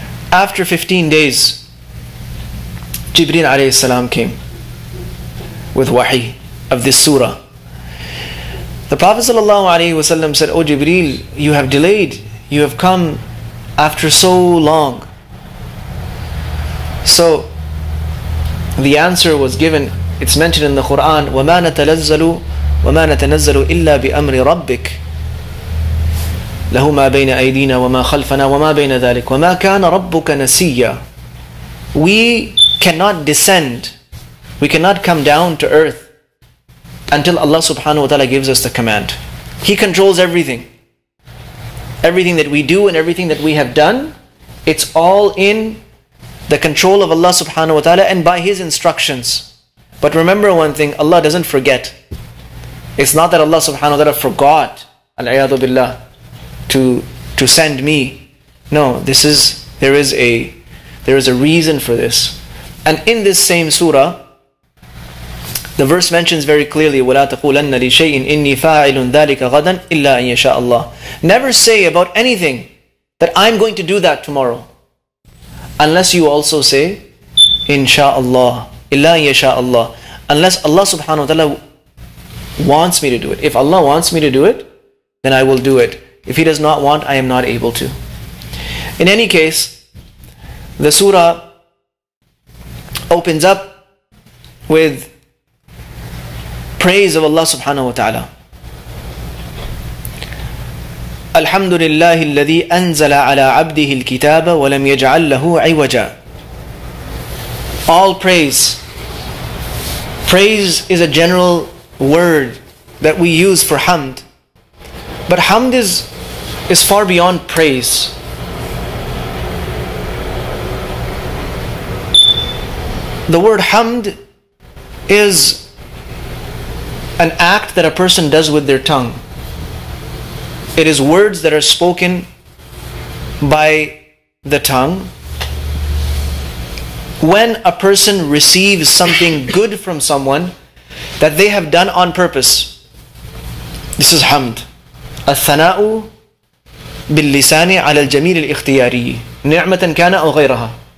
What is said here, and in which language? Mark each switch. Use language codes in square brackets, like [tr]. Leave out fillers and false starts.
[en] After 15 days, Jibreel alayhi salam came with wahi of this surah. The Prophet sallallahu alayhi wa sallam said, O Jibreel, you have delayed. You have come after so long. So the answer was given. It's mentioned in the Quran, [ar] وَمَا نَتَلَزَّلُ وَمَا نَتَنَزَّلُ إِلَّا بِأَمْرِ رَبِّكَ لَهُ مَا بَيْنَ أَيْدِينَا وَمَا خَلْفَنَا وَمَا بَيْنَ ذَلِكَ وَمَا كَانَ رَبُّكَ نَسِيَّا. [en] We cannot descend, we cannot come down to earth until Allah subhanahu wa ta'ala gives us the command. He controls everything. Everything that we do and everything that we have done, it's all in the control of Allah subhanahu wa ta'ala and by His instructions. But remember one thing, Allah doesn't forget. It's not that Allah subhanahu wa ta'ala forgot, al-ayadu billah, to send me. No, there is a reason for this. And in this same surah, the verse mentions very clearly, [ar] وَلَا تَقُولَنَّ لِشَيْءٍ إِنِّي فَاعِلٌ ذَلِكَ غَدًا إِلَّا أَن يَشَاءَ اللَّهِ. [en] Never say about anything that I'm going to do that tomorrow, unless you also say, إِنْشَاءَ اللَّهِ. illa yasha Allah, unless Allah subhanahu wa ta'ala wants me to do it. If Allah wants me to do it, then I will do it. If He does not want, I am not able to. In any case, the surah opens up with praise of Allah subhanahu wa ta'ala. [ar] الحمد لله الذي أنزل على عبده الكتاب ولم يجعل له عوجا. [en] All praise. Praise is a general word that we use for hamd. But hamd is far beyond praise. The word hamd is an act that a person does with their tongue. It is words that are spoken by the tongue. When a person receives something good from someone that they have done on purpose, this is hamd. [ar] الثناء باللسان على الجميل الاختياري نعمة كان أو غيرها.